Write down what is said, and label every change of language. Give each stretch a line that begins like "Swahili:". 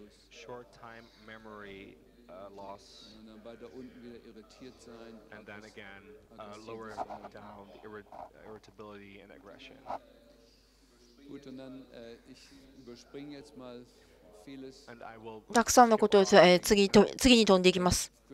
English: Short time memory loss, and then again lower down the irritability and aggression.
German: Gut, und dann ich überspringe jetzt mal vieles.
English: And I will.
Japanese: たくさんのことを次に飛んでいきます。